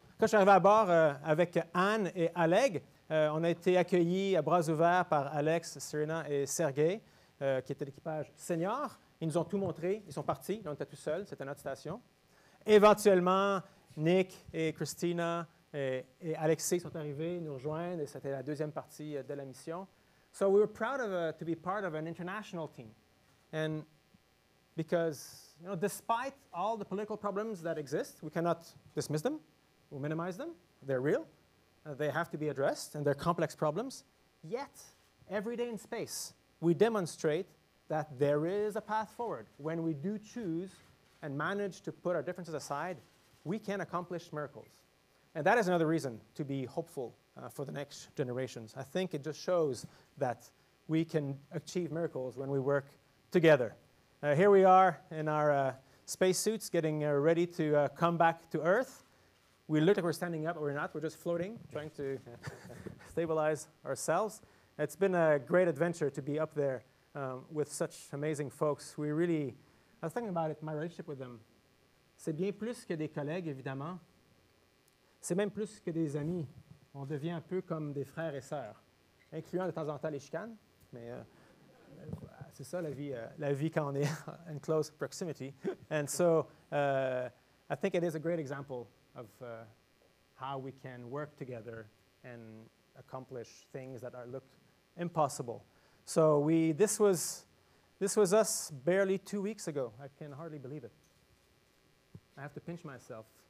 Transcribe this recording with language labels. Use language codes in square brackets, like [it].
[fr] Quand je suis arrivé à bord avec Anne et Alec, on a été accueillis à bras ouverts par Alex, Serena et Sergei, qui étaient l'équipage senior. Ils nous ont tout montré. Ils sont partis. Là, on était tout seuls. C'était notre station. Éventuellement, Nick et Christina et Alexis sont arrivés nous rejoindre, et c'était la deuxième partie de la mission. [en] So we were proud of to be part of an international team. And because, you know, despite all the political problems that exist, we cannot dismiss them or minimize them. They're real. They have to be addressed, and they're complex problems. Yet, every day in space, we demonstrate that there is a path forward. When we do choose and manage to put our differences aside, we can accomplish miracles. And that is another reason to be hopeful for the next generations. I think it just shows that we can achieve miracles when we work together. Here we are in our spacesuits getting ready to come back to Earth. We look like we're standing up, but we're not. We're just floating, trying to stabilize ourselves. It's been a great adventure to be up there with such amazing folks. I was thinking about it, my relationship with them. [fr] C'est bien plus que des collègues, évidemment. C'est même plus que des amis. On devient un peu comme des frères et sœurs, incluant de temps en temps les chicanes. Mais c'est ça la vie quand on est [en] in close proximity. And so I think it is a great example of how we can work together and accomplish things that look impossible. So this was us barely 2 weeks ago. I can hardly believe it. I have to pinch myself.